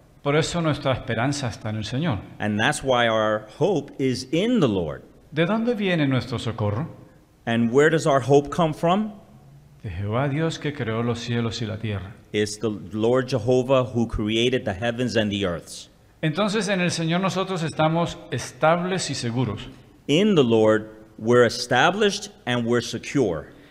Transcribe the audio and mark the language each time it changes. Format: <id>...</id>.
<es>Por eso nuestra esperanza está en el Señor.</es> <en>And that's why our hope is in the Lord.</en> <es>¿De dónde viene nuestro socorro?</es> <en>And where does our hope come from?</en> <es>De Jehová Dios que creó los cielos y la tierra.</es> <en>It's the Lord Jehovah who created the heavens and the earths.</en> <es>Entonces en el Señor nosotros estamos estables y seguros.</es> <en>In the Lord we're established and we're secure.</en>